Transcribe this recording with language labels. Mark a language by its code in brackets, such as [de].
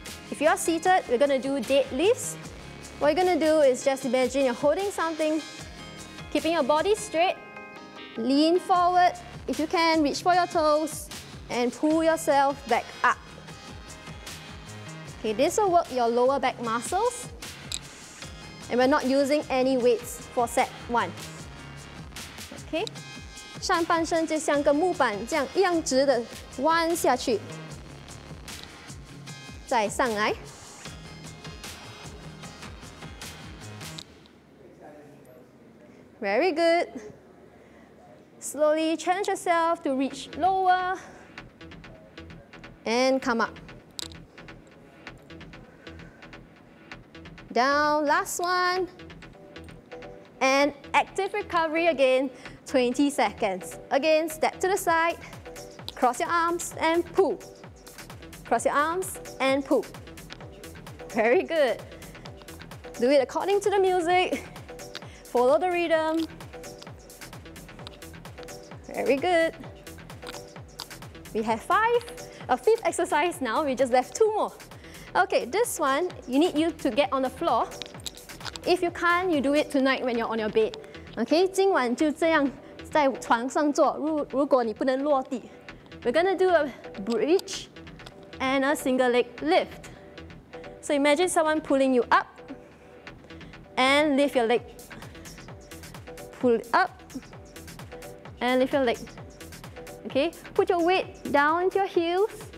[en] If you are seated, we're gonna do deadlifts. What you're gonna do is just imagine you're holding something, keeping your body straight, lean forward, if you can, reach for your toes and pull yourself back up. Okay, this will work your lower back muscles and we're not using any weights for set one. [zh] Okay, 上半身就像个木板这样一样直的弯下去, 再上来。 [en] Very good. Slowly challenge yourself to reach lower and come up. Down, last one. And active recovery again, 20 seconds. Again, step to the side, cross your arms and pull. Cross your arms and pull. Very good. Do it according to the music. Follow the rhythm. Very good. We have a fifth exercise now. We just left two more. Okay, this one, you need you to get on the floor. If you can't, you do it tonight when you're on your bed. [zh] Okay, 今晚就这样在床上做,如果你不能落地. [en] We're gonna do a bridge and a single leg lift. So imagine someone pulling you up and lift your leg. Pull up. And lift your leg. Okay, put your weight down into your heels.